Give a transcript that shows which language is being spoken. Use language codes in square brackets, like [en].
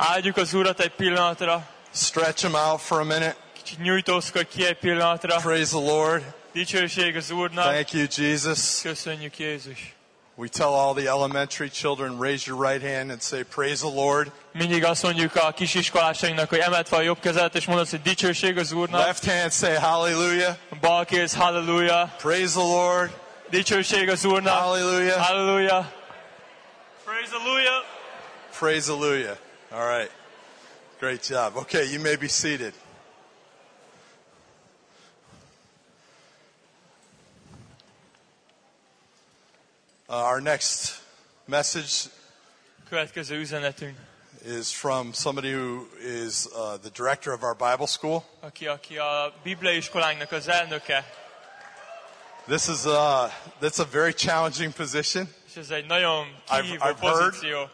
[hu] Áldjuk az Urat egy pillanatra. [en] Stretch him out for a minute. [hu] Kicsit nyújtózkodj ki egy pillanatra. [en] Praise the Lord. [hu] Dicsőség az Úrnak. [en] Thank you, Jesus. [hu] Köszönjük, Jézus. [en] We tell all the elementary children, raise your right hand and say, praise the Lord. [hu] Mindig azt mondjuk a kisiskolásainknak, hogy emelt fel a jobb kezelet, és mondasz, hogy dicsőség az Úrnak. [en] Left hand, say, hallelujah. [hu] Bal kéz, hallelujah. [en] Praise the Lord. [hu] Dicsőség az Úrnak. [en] Hallelujah. [hu] Hallelujah. [en] Praise the Lord. Praise the Lord. All right. Great job. Okay, you may be seated. Our next message [hu] következő üzenetünk [en] is from somebody who is the director of our Bible school. [hu] Aki a Biblia iskolánknak az elnöke. [en] That's a very challenging position. [hu] És ez egy nagyon kihívó pozíció.